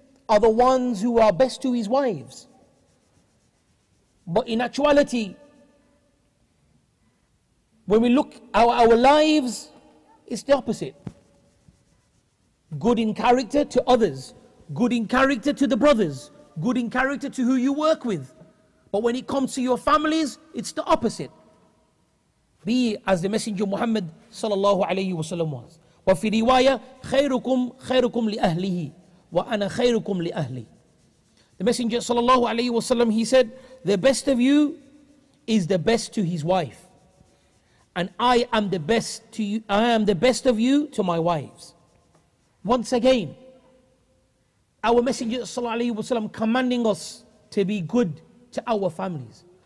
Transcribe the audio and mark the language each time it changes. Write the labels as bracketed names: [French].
[English] are the ones who are best to his wives. But in actuality, when we look at our lives, it's the opposite. Good in character to others, good in character to the brothers, good in character to who you work with. But when it comes to your families, it's the opposite. Be as the Messenger Muhammad sallallahu alayhi wa sallam was. [Arabic] وفي رواية خيركم خيركم لأهله وأنا خيركم لأهلي. [English] The Messenger sallallahu alayhi wa sallam, he said, the best of you is the best to his wife. And I am the best to you, I am the best of you to my wives. Once again, our Messenger sallallahu alayhi wa sallam commanding us to be good to our families.